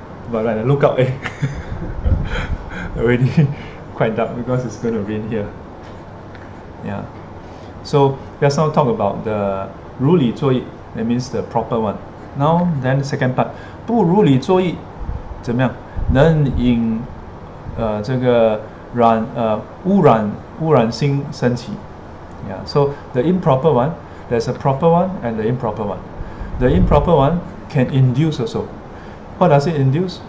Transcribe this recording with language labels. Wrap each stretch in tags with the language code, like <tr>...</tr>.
<en>But when I look out, already quite dark because it's going to rain here. Yeah. So let's now talk about the</en> <zh>如理作意,</zh> <en>that means the proper one. Now, then second part,</en> <zh>不如理作意, 怎么样? 能引这个染污染污染心升起。</zh> <en>Yeah, so the improper one, there's a proper one and the improper one. The improper one can induce also. What does it induce?</en>